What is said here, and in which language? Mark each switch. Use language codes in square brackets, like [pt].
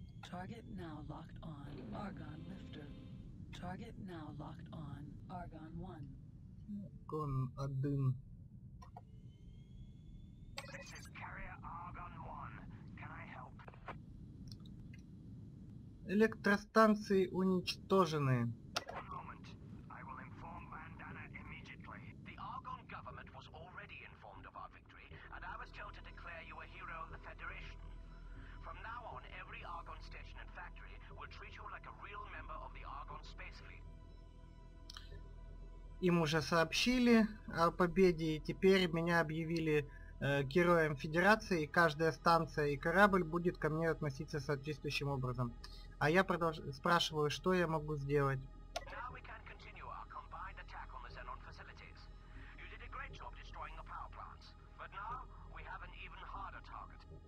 [en] Target now locked on Argon Lifter. Target now locked on Argon 1. Argon 1. This is carrier Argon 1. Can I help? [ru] Электростанции уничтожены. [en] One moment. I will inform Vandana immediately. The Argon government was already informed of our victory, and I was told to declare you a hero of the Federation. From now on, every Argon station and factory will treat you like a real member of the Argon Space Fleet. [ru] Им уже сообщили о победе, и теперь меня объявили героем Федерации, и каждая станция и корабль будет ко мне относиться соответствующим образом. А я спрашиваю, что я могу сделать. [en] Now we can continue our combined attack on the Xenon facilities. You did a great job destroying the power plants, but now we have an even harder target.